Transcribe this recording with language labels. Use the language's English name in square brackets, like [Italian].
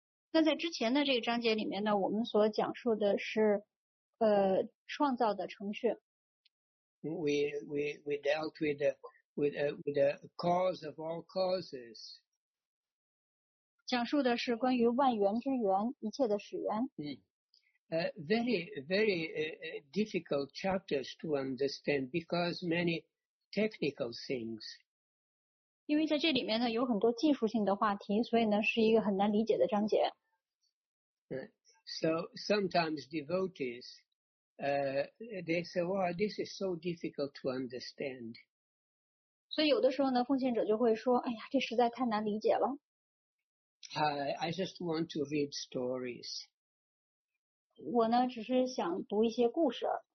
[Chinese] 那在之前的这个章节里面呢，我们所讲述的是创造的程序。 [English] We dealt with the cause of all causes. [Chinese] 讲述的是关于万源之源，一切的始源。 [English] Very, very difficult chapters to understand because many technical things. [Chinese] 因为在这里面呢，有很多技术性的话题，所以呢，是一个很难理解的章节。 [English] So sometimes devotees, they say, "Wow, this is so difficult to understand." [Chinese] 所以有的时候呢，奉献者就会说，哎呀，这实在太难理解了。 [English] I just want to read stories. [Chinese] 我呢，只是想读一些故事。